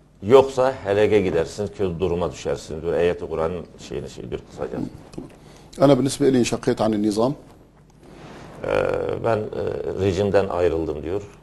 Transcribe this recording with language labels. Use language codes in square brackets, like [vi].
[tr] Yoksa helege gidersiniz, kötü duruma düşersiniz diyor. Ayet-i Kur'an'ın şeyini şeydir kısaca. [ar] أنا بالنسبة لي انشقيت عن النظام. [tr] Ben rejimden ayrıldım diyor.